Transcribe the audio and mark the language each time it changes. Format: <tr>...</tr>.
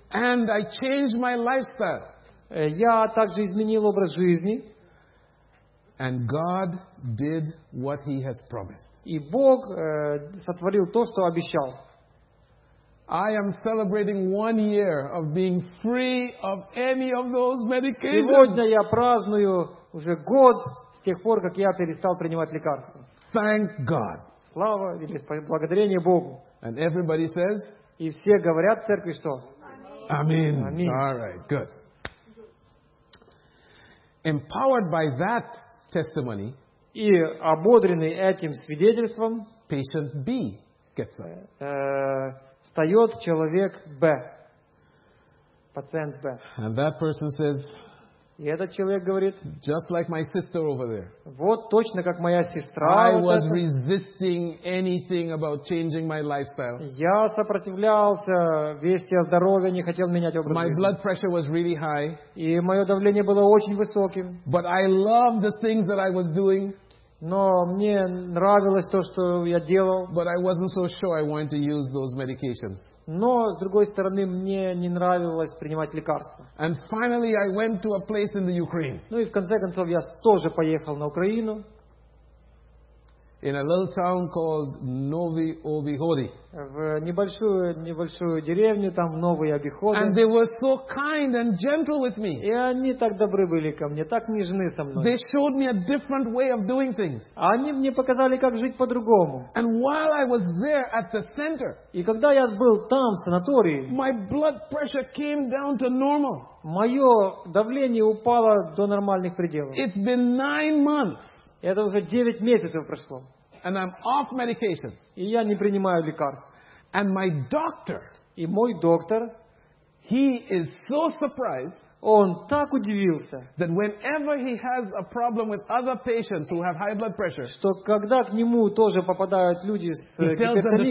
<en>And I changed my lifestyle.</en> <ru>Я также изменил образ жизни.</ru> <en>And God did what He has promised.</en> <ru>И Бог сотворил то, что обещал.</ru> <en>I am celebrating 1 year of being free of any of those medications.</en> <ru>Сегодня я праздную уже год с тех пор, как я перестал принимать лекарства.</ru> <en>Thank God.</en> <ru>Слава или благодарение Богу.</ru> <en>And everybody says.</en> <ru>И все говорят в церкви что?</ru> <en>Amen. Amen. All right, good. Empowered by that testimony.</en> <ru>И ободренный этим свидетельством.</ru> <en>Patient B gets up.</en> <ru>Встает человек Б, пациент Б.</ru> <en>And that person says,</en> <ru>и этот человек говорит,</ru> <en>just like my sister over there,</en> <ru>вот точно как моя сестра.</ru> <en>I was resisting anything about changing my lifestyle.</en> <ru>Я сопротивлялся вести о здоровье, не хотел менять образ жизни.</ru> <en>My blood pressure was really high.</en> <ru>И мое давление было очень высоким.</ru> <en>But I loved the things that I was doing.</en> <ru>Но мне нравилось то, что я делал.</ru> <en>But I wasn't so sure I wanted to use those medications.</en> <ru>Но, с другой стороны, мне не нравилось принимать лекарства.</ru> <en>And finally I went to a place in the Ukraine.</en> <ru>Ну и в конце концов я тоже поехал на Украину.</ru> <en>In a little town called Novy Obihory.</en> <ru>В небольшую деревню, там в Новой Обиходе.</ru> <en>And they were so kind and gentle with me.</en> <ru>И они так добры были ко мне, так нежны со мной.</ru> <en>They showed me a different way of doing things.</en> <ru>Они мне показали, как жить по-другому.</ru> <en>And while I was there at the center.</en> <ru>И когда я был там, в санатории.</ru> <en>My blood pressure came down to normal.</en> <ru>Мое давление упало до нормальных пределов.</ru> <en>It's been 9 months.</en> <ru>Это уже 9 месяцев прошло.</ru> <en>And I'm off medications.</en> <ru>И я не принимаю лекарств.</ru> <en>And my doctor,</en> <ru>и мой доктор,</ru> <en>he is so surprised,</en> <ru>он так удивился,</ru> <en>that whenever he has a problem with other patients who have high blood pressure,</en> <ru>что когда к нему тоже попадают люди с гипертонией,</ru>